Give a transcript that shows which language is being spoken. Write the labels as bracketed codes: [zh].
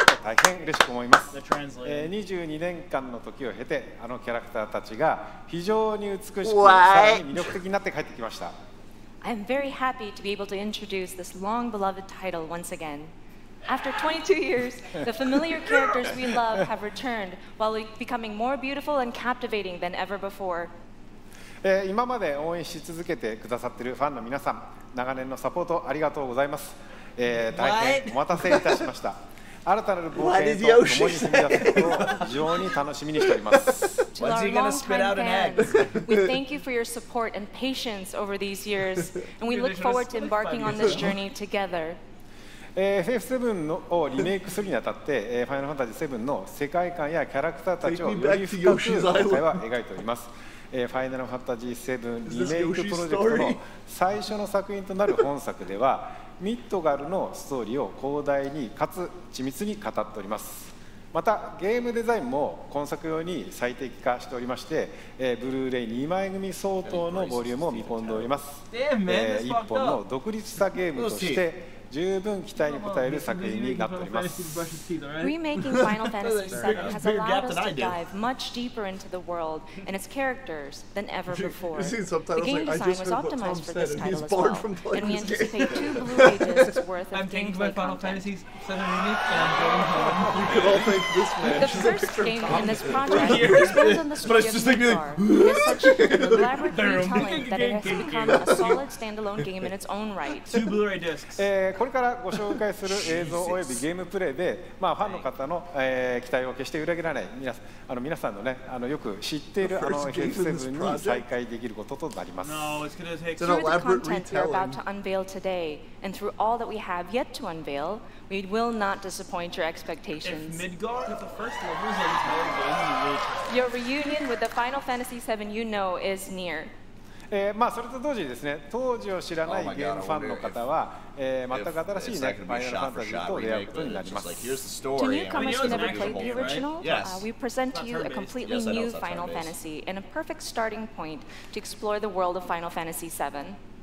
[en] I'm very happy to be able to introduce this long beloved title once again. After 22 years, the familiar characters we love have returned while becoming more beautiful and captivating than ever before. [ja] 今まで応援し続けてくださってるファンの皆さん、長年のサポートありがとうございます。大変お待たせいたしました。新たなる冒険と共に進んだところを非常に楽しみにしております。 [en] What's he gonna spit out an egg? We thank you for your support and patience over these years, and we look forward to embarking on this journey together. [ja] FF7 をリメイクするにあたって、Final Fantasy VII の世界観やキャラクターたちをより深く今回は描いております。ファイナルファンタジー7リメイクプロジェクトの最初の作品となる本作ではミッドガルのストーリーを広大にかつ緻密に語っております。またゲームデザインも今作用に最適化しておりまして、ブルーレイ2枚組相当のボリュームを見込んでおります。一本の独立したゲームとして十分期待に応える作品になっております。 [en] Remaking Final Fantasy VII has allowed us to dive much deeper into the world and its characters than ever before. The game design was optimized for this title as well, and we anticipate two Blu-ray discs worth of gameplay content. You could all thank this man. The first game in this project was built on the studio's Midgar. It is such an elaborate retelling that it has become a solid standalone game in its own right. Two Blu-ray discs. [ja] これからご紹介する映像およびゲームプレイで、まあ、ファンの方の、期待を決して裏切らない皆さんのね、よく知っているあの FF7 に再会できることとなります。 [en] Through the content we're about to unveil today, and through all that we have yet to unveil, we will not disappoint your expectations. If Midgar is the first level, then it's more than you. Your reunion with the Final Fantasy VII you know is near. [ja] まあ、それと同時にですね、当時を知らないゲームファンの方は、全く新しいね、ファイナルファンタジーと出会うことになります。 [en] To newcomers who never played the original, we present to you a completely new Final Fantasy and a perfect starting point to explore the world of Final Fantasy VII.